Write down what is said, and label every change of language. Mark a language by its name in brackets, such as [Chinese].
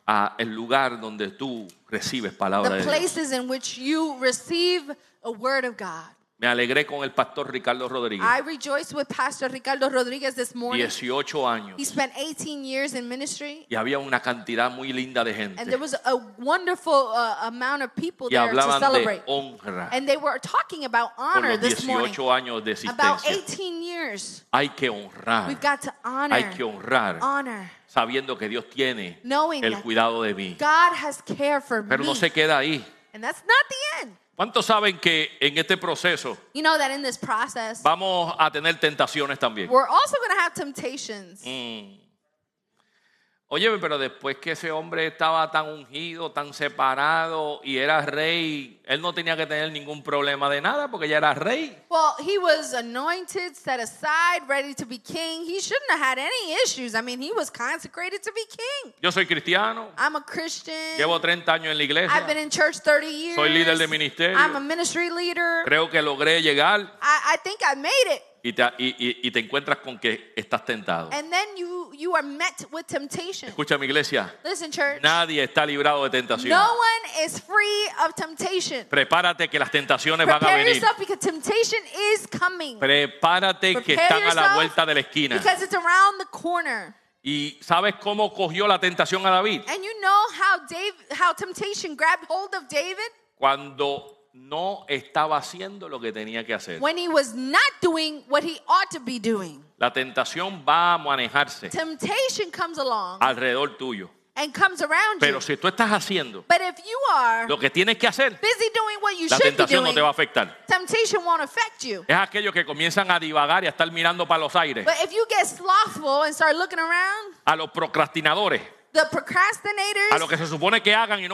[Spanish] A el lugar donde tú recibes palabra [English] the [Spanish] de [English] places [Spanish] Dios. [English] In which you receive a word of God. [Spanish] Me alegré con el pastor Ricardo Rodríguez. [English] I rejoiced with Pastor Ricardo Rodríguez this morning. [Spanish] 18 años. [English] He spent 18 years in ministry. [Spanish] Y había una cantidad muy linda de gente. [English] And there was a wonderful amount of people there to celebrate. [Spanish] Y hablaban de honra. [English] And they were talking about honor this morning. [Spanish] Por los 18 años de existencia. [English] About 18 years. [Spanish] Hay que honrar. [English] We've got to honor. [Spanish] Hay que honrar. [English] Honor. [Spanish] Sabiendo que Dios tiene el cuidado de mí. [English] God has care for me. [Spanish] Pero no se queda ahí. [English] And that's not the end. [Spanish] ¿Cuántos saben que en este proceso [English] you know that in this process, [Spanish] vamos a tener tentaciones también? [English] We're also going to have temptations. [Spanish] Oye, pero después que ese hombre estaba tan ungido, tan separado y era rey, él no tenía que tener ningún problema de nada porque ya era rey. [English] Well, he was anointed, set aside, ready to be king. He shouldn't have had any issues. I mean, he was consecrated to be king. [Spanish] Yo soy cristiano. [English] I'm a Christian. [Spanish] Llevo 30 años en la iglesia. [English] I've been in church 30 years. [Spanish] Soy líder de ministerio. [English] I'm a ministry leader. [Spanish] Creo que logré llegar. [English] I think I made it. [Spanish] Y te encuentras con que estás tentado. [English] And then you are met with temptation. [Spanish] Escucha mi iglesia. [English] Listen, church. [Spanish] Nadie está librado de tentación. [English] No one is free of temptation. [Spanish] Prepárate que las tentaciones [English] Prepare [Spanish] van a venir. [English] Yourself because temptation is coming. [Spanish] Prepárate [English] Prepare [Spanish] que están a la vuelta de la esquina. [English] Because it's around the corner. [Spanish] ¿Y sabes cómo cogió la tentación a David? [English] And you know how temptation grabbed hold of David? [Spanish] Cuando no estaba haciendo lo que tenía que hacer. [English] When he was not doing what he ought to be doing. [Spanish] La tentación va a manejarse. [English] Temptation comes along. [Spanish] Alrededor tuyo. [English] And comes around [Spanish] Pero Si tú estás haciendo. [English] But if you are. [Spanish] Lo que tienes que hacer. [English] Busy doing what you [Spanish] la tentación [English] should be [Spanish] no te va a afectar. [English] Temptation won't affect you. [Spanish] Es aquellos que comienzan a divagar y a estar mirando para los aires. [English] But if you get slothful and start looking around. [Spanish] A los procrastinadores. [English] The procrastinators, [Spanish] a lo que se supone que hagan y no